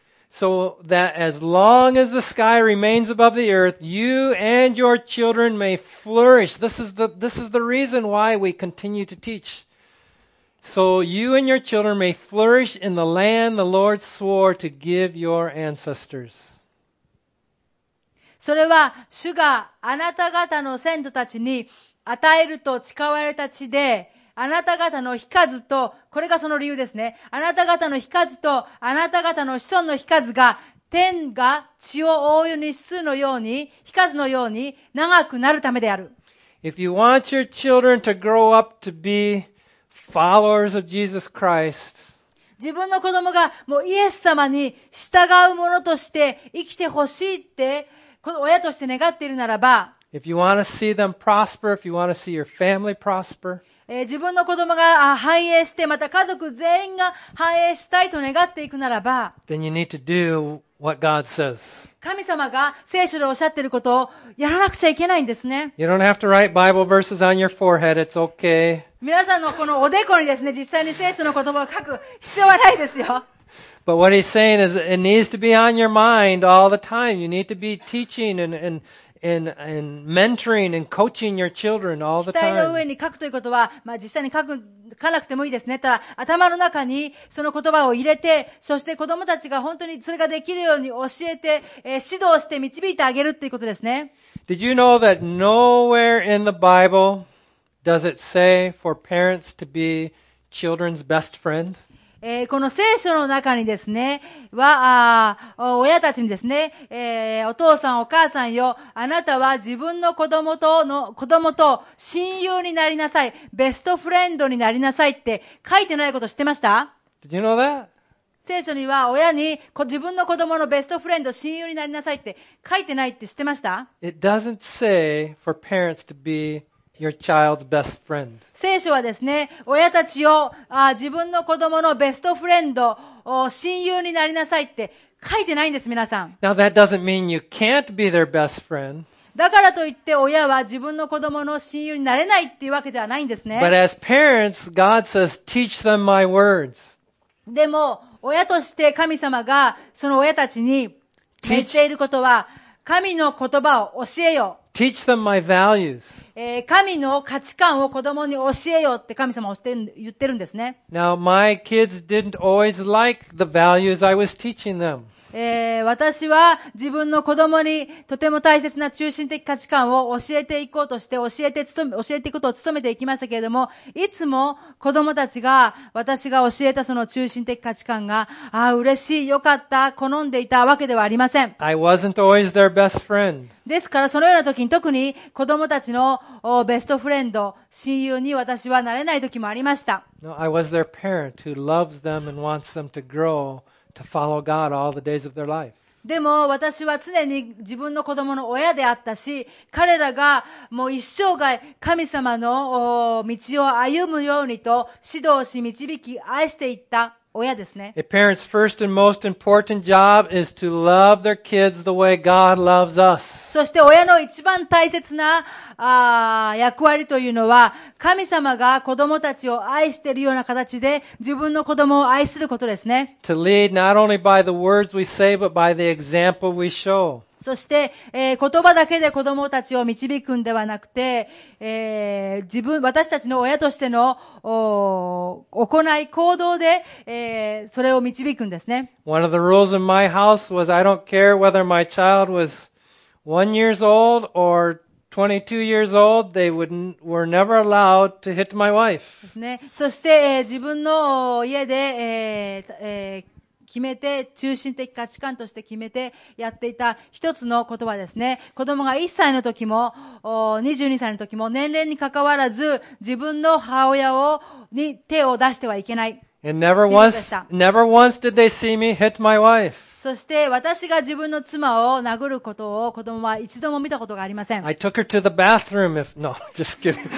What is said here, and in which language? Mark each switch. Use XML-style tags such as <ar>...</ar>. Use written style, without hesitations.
<en>So that as long as the sky remains above the earth, you and your children may flourish. This is the reason why we continue to teach. So you and your children may flourish in the land the Lord swore to give your ancestors.</en> <ja>それは主があなた方の先祖たちに与えると誓われた地で、あなた方の引かずと、これがその理由ですね。あなた方の引かずと、あなた方の子孫の引かずが、天が地を覆う日数のように、引かずのように長くなるためである。</ja> <en>If you want your children to grow up to be followers of Jesus Christ,</en> <ja>自分の子供がもうイエス様に従う者として生きてほしいって、この親として願っているならば、</ja> <en>If you want to see them prosper, if you want to see your family prosper,</en> <ja>自分の子供が繁栄して、また家族全員が繁栄したいと願っていくならば、</ja> <en>Then you need to do what God says.</en> <ja>神様が聖書でおっしゃっていることをやらなくちゃいけないんですね。</ja> <en>You don't have to write Bible verses on your forehead. It's okay.</en> <ja>皆さんのこのおでこにですね、実際に聖書の言葉を書く必要はないですよ。</ja> <en>But what he's saying is it needs to be on your mind all the time. You need to be teaching and in mentoring and coaching your children all the time.</en> <ja>額の上に書くということは、まあ、実際に書く、書かなくてもいいですね。ただ、頭の中にその言葉を入れて、そして子供たちが本当にそれができるように教えて、指導して導いてあげるということですね。</ja> <en>Did you know that nowhere in the Bible does it say for parents to be children's best friend?</en> <ja>この聖書の中にですね、は、親たちにですね、お父さんお母さんよ、あなたは自分の子供との、子供と親友になりなさい、ベストフレンドになりなさいって書いてないこと知ってました？</ja> <en>Did you know that?</en> <ja>聖書には親に自分の子供のベストフレンド、親友になりなさいって書いてないって知ってました？</ja> <en>It doesn't say for parents to be your child's best friend.</en> <ja>聖書はですね、親たちを自分の子供のベストフレンド、親友になりなさいって書いてないんです、皆さん。</ja> <en>Now that doesn't mean you can't be their best friend.</en> <ja>だからといって親は自分の子供の親友になれないっていうわけじゃないんですね。</ja> <en>But as parents, God says, teach them my words.</en> <ja>でも、親として神様がその親たちに言っていることは、神の言葉を教えよ。</ja> <en>Teach them my values.</en> <ja>神の価値観を子供に教えよって神様は言ってるんですね。</ja> <en>Now, my kids didn't always like the values I was teaching them.</en> <ja>私は自分の子供にとても大切な中心的価値観を教えていこうとして、教えていくことを努めていきましたけれども、いつも子供たちが私が教えたその中心的価値観が、ああ、嬉しい、よかった、好んでいたわけではありません。</ja> <en>I wasn't always their best friend.</en> <ja>ですからそのような時に特に子供たちのベストフレンド、親友に私はなれない時もありました。</ja> <en>No, I was their parent who loves them and wants them to grow to follow God all the days of their life.</en> <ja>でも私は常に自分の子供の親であったし、彼らがもう一生涯神様の道を歩むようにと指導し導き愛していった親ですね。</ja> <en>A parent's first and most important job is to love their kids the way God loves us.</en> <ja>そして親の一番大切な役割というのは、神様が子供たちを愛しているような形で自分の子供を愛することですね。</ja> <en>To lead not only by the words we say, but by the example we show.</en> <ja>そして、言葉だけで子供たちを導くんではなくて、自分、私たちの親としての行い、行動で、それを導くんですね。</ja> <en>One of the rules in my house was I don't care whether my child was 1 year old or 22 years old, they were never allowed to hit my wife.</en> <ja>ですね。そして、自分の家で、決めて、中心的価値観として決めてやっていた一つの言葉ですね。子供が1歳の時も、22歳の時も、年齢に関わらず、自分の母親を、に手を出してはいけない。</ja> <en>Never once did they see me hit my wife.</en> <ja>そして、私が自分の妻を殴ることを子供は一度も見たことがありません。</ja> <en>I took her to the bathroom if, no, just kidding.</en>